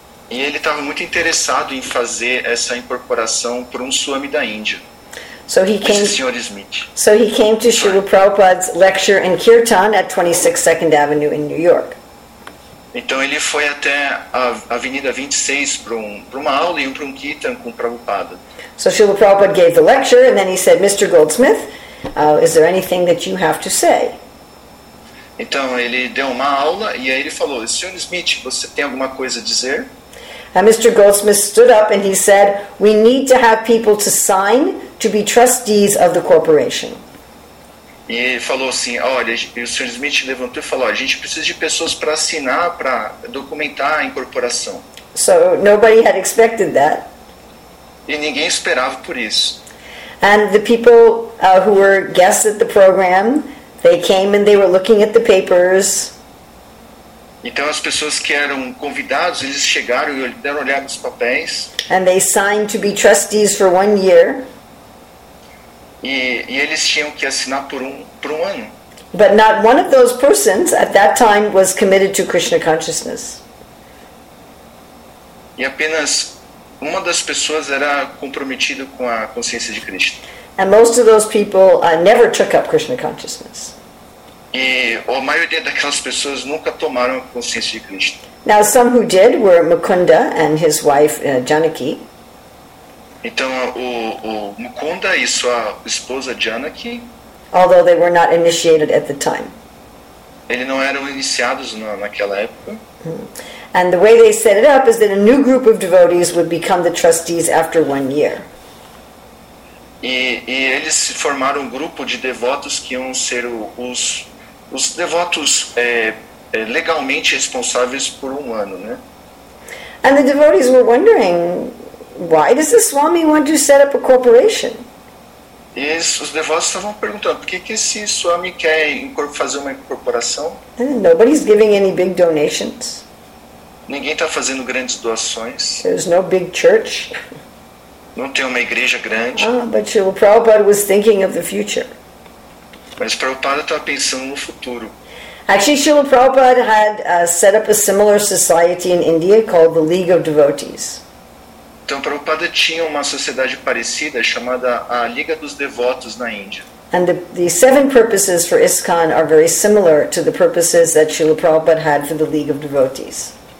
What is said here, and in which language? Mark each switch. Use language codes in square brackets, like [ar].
[pt] E ele estava muito interessado em fazer essa incorporação para um Swami da Índia. [en] So he came, [pt] esse senhor Smith. [en] So he came to Srila Prabhupada's lecture in Kirtan at 26 Second Avenue in New York. [pt] Então ele foi até a Avenida 26 para uma aula e para um Kirtan com Prabhupada. [en] So Srila Prabhupada gave the lecture and then he said, Mr. Goldsmith, is there anything that you have to say? [pt] Então ele deu uma aula e aí ele falou, Sr. Smith, você tem alguma coisa a dizer? [en] And Mr. Goldsmith stood up and he said, we need to have people to sign to be trustees of the corporation. [pt] E ele falou assim, olha, e o Sr. Smith levantou e falou, a gente precisa de pessoas para assinar, para documentar a incorporação. [en] So nobody had expected that. [pt] E ninguém esperava por isso. [en] And the people who were guests at the program, they came and they were looking at the papers. [pt] Então as pessoas que eram convidados, eles chegaram e deram uma olhada nos papéis. [en] And they signed to be trustees for 1 year. [pt] E eles tinham que assinar por um ano. [en] But not one of those persons at that time was committed to Krishna consciousness. [pt] E apenas uma das pessoas era comprometida com a consciência de Krishna. [en] And most of those people never took up Krishna consciousness. [pt] E a maioria daquelas pessoas nunca tomaram a consciência de Krishna. [en] Now some who did were Mukunda and his wife Janaki. [pt] Então o Mukunda e sua esposa Janaki. [en] Although they were not initiated at the time. [pt] Eles não eram iniciados naquela época. [en] And the way they set it up is that a new group of devotees would become the trustees after 1 year. [pt] E eles formaram um grupo de devotos que iam ser os devotos legalmente responsáveis por 1 ano, né? [en] And the devotees were wondering, why does the Swami want to set up a corporation? [pt] E os devotos estavam perguntando, por que que esse Swami quer fazer uma incorporação? [en] And nobody's giving any big donations. [pt] Ninguém está fazendo grandes doações. [en] There's no big church. [pt] Não tem uma igreja grande. [en] But Prabhupada was thinking of the future. [pt] Mas Prabhupada estava pensando no futuro. [en] Actually, Srila Prabhupada had set up a similar society in India called the League of Devotees. [pt] Então, Prabhupada tinha uma sociedade parecida chamada a Liga dos Devotos na Índia. [en] And the seven purposes for ISKCON are very similar to the purposes that Srila Prabhupada had for the League of Devotees.